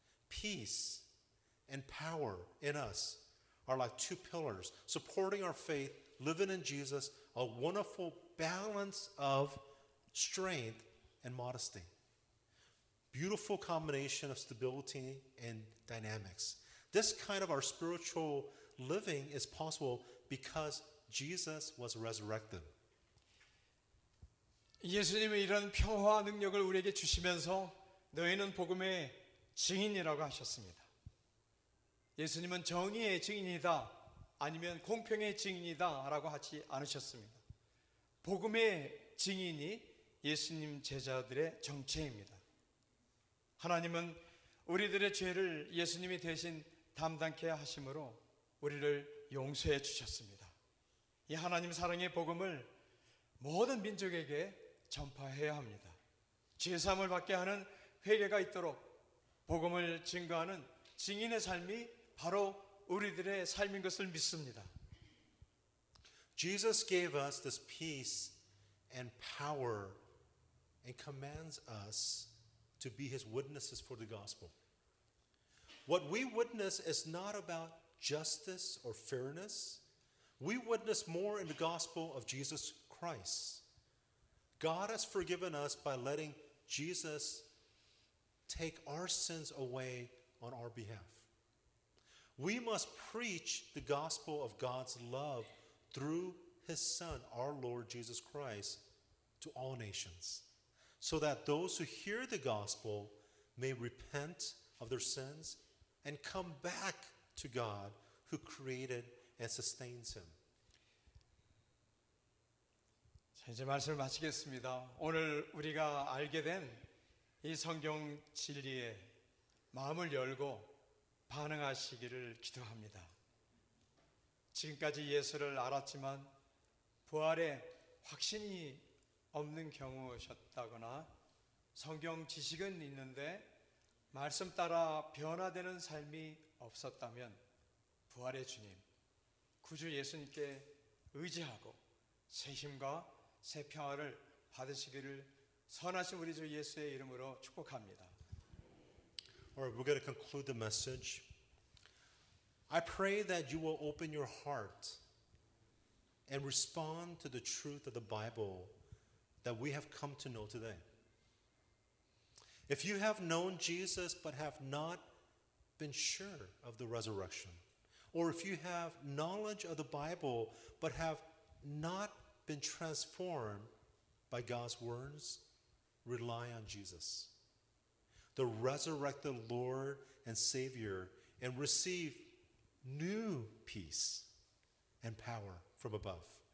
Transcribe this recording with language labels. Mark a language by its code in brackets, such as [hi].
[en] Peace and power in us are like two pillars supporting our faith, living in Jesus, a wonderful balance of strength and modesty. Beautiful combination of stability and dynamics. This kind of our spiritual living is possible because Jesus was resurrected. [ko] 예수님이 이런 평화 능력을 우리에게 주시면서 너희는 복음의 증인이라고 하셨습니다. 예수님은 정의의 증인이다 아니면 공평의 증인이다 라고 하지 않으셨습니다. 복음의 증인이 예수님 제자들의 정체입니다. 하나님은 우리들의 죄를 예수님이 대신 담당케 하심으로 우리를 용서해 주셨습니다. 이 하나님 사랑의 복음을 모든 민족에게 전파해야 합니다. 죄사함을 받게 하는 회개가 있도록 복음을 증거하는 증인의 삶이 바로 우리들의 삶인 것을 믿습니다. [en] Jesus gave us this peace and power and commands us to be his witnesses for the gospel. What we witness is not about justice or fairness. We witness more in the gospel of Jesus Christ. God has forgiven us by letting Jesus take our sins away on our behalf. We must preach the gospel of God's love through his Son, our Lord Jesus Christ, to all nations, so that those who hear the gospel may repent of their sins and come back to God who created and sustains him. [ko] 이제 말씀을 마치겠습니다. 오늘 우리가 알게 된 이 성경 진리에 마음을 열고 반응하시기를 기도합니다. 지금까지 예수를 알았지만 부활에 확신이 없는 경우셨다거나 성경 지식은 있는데 말씀 따라 변화되는 삶이 없었다면 부활의 주님, 구주 예수님께 의지하고 새 힘과 새 평화를 받으시기를 선하신 우리 주 예수의 이름으로 축복합니다. [en] Alright, we're going to conclude the message. I pray that you will open your heart and respond to the truth of the Bible that we have come to know today. If you have known Jesus but have not been sure of the resurrection, or if you have knowledge of the Bible but have not been transformed by God's words, rely on Jesus, the resurrected Lord and Savior, and receive new peace and power from above.